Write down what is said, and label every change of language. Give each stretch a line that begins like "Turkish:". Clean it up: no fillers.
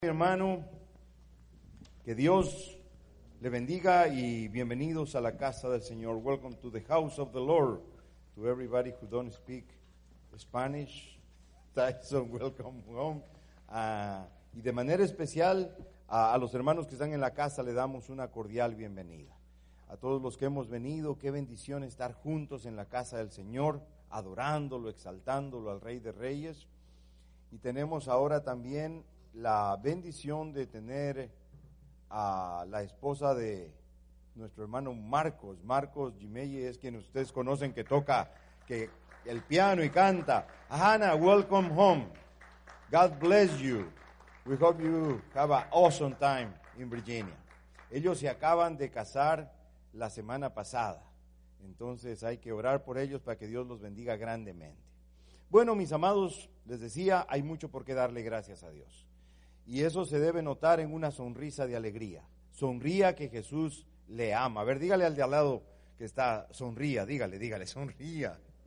Spanish: Hermano, que Dios le bendiga y bienvenidos a la casa del Señor.
English: Welcome to the house of the Lord. To everybody who don't speak Spanish, Tyson, welcome home.
Spanish: Y de manera especial a los hermanos que están en la casa, le damos una cordial bienvenida. A todos los que hemos venido, qué bendición estar juntos en la casa del Señor, adorándolo, exaltándolo al Rey de Reyes. Y tenemos ahora también la bendición de tener a la esposa de nuestro hermano Marcos. Marcos Gimelli es quien ustedes conocen que toca el piano y canta.
English: Hannah, welcome home. God bless you. We hope you have an awesome time in Virginia.
Spanish: Ellos se acaban de casar la semana pasada. Entonces hay que orar por ellos para que Dios los bendiga grandemente. Bueno, mis amados, les decía, hay mucho por qué darle gracias a Dios. Y eso se debe notar en una sonrisa de alegría. Sonría que Jesús le ama. A ver, dígale al de al lado que está, sonría, dígale, sonría.